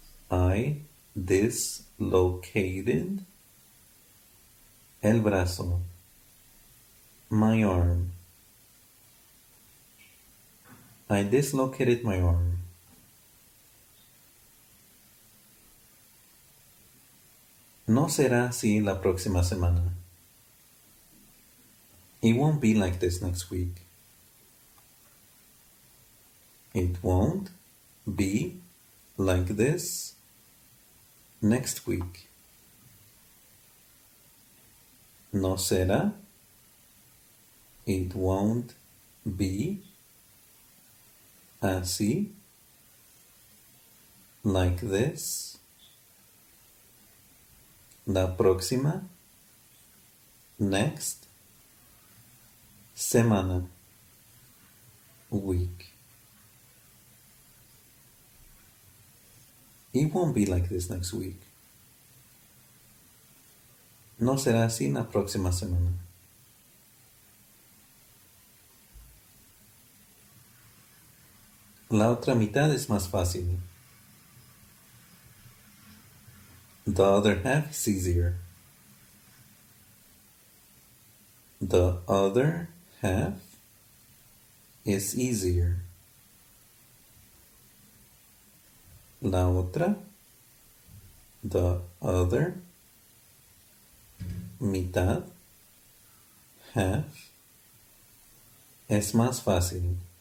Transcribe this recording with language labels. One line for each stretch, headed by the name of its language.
English: I dislocated
Spanish: el brazo,
English: my arm. I dislocated my arm.
Spanish: No será así la próxima semana.
English: It won't be like this next week. It won't be like this next week.
Spanish: No será.
English: It won't be
Spanish: así
English: like this.
Spanish: La próxima,
English: next,
Spanish: semana,
English: week. It won't be like this next week.
Spanish: No será así la próxima semana. La otra mitad es más fácil.
English: The other half is easier. The other half is easier.
Spanish: La otra,
English: the other
Spanish: mitad,
English: half,
Spanish: es más fácil.